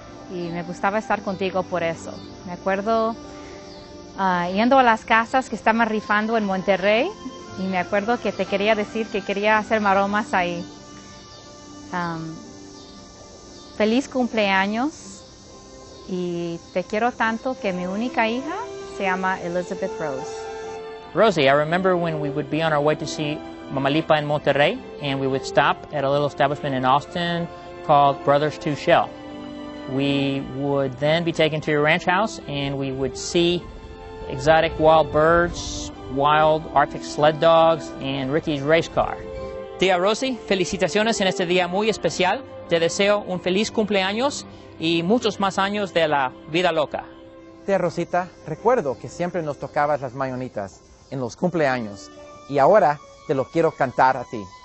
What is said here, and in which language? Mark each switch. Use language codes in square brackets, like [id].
[es] Y me gustaba estar contigo por eso. Me acuerdo yendo a las casas que estaban rifando en Monterrey y me acuerdo que te quería decir que quería hacer maromas ahí. Feliz cumpleaños y te quiero tanto que mi única hija se llama Elizabeth Rose. [en] Rosy, I remember when we would be on our way to see Mamalipa in Monterrey and we would stop at a little establishment in Austin called Brothers Two Shell. We would then be taken to your ranch house and we would see exotic wild birds, wild Arctic sled dogs, and Ricky's race car. [es] Tía Rosy, felicitaciones en este día muy especial. Te deseo un feliz cumpleaños y muchos más años de la vida loca. Tía Rosita, recuerdo que siempre nos tocabas las mañanitas en los cumpleaños y ahora te lo quiero cantar a ti.